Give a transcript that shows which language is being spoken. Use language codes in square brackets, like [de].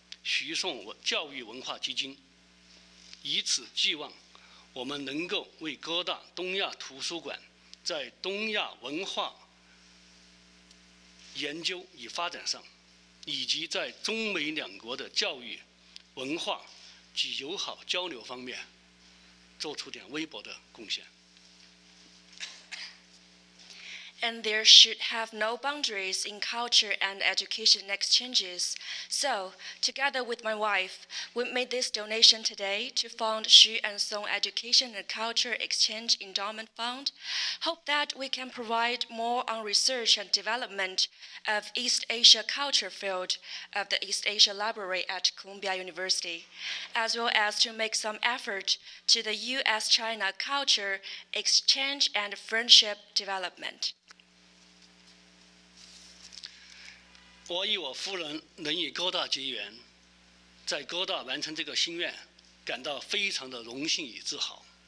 [zh] 徐颂文教育文化基金，以此寄望我们能够为哥大东亚图书馆在东亚文化研究与发展上，以及在中美两国的教育、文化及友好交流方面，做出点微薄的贡献。 [en] And there should have no boundaries in culture and education exchanges. So, together with my wife, we made this donation today to fund Xu and Song Education and Culture Exchange Endowment Fund. Hope that we can provide more on research and development of East Asia culture field of the East Asia Library at Columbia University, as well as to make some effort to the U.S.-China culture exchange and friendship development. [zh] 我与我夫人能与哥大结缘，在哥大完成这个心愿，感到非常的荣幸与自豪。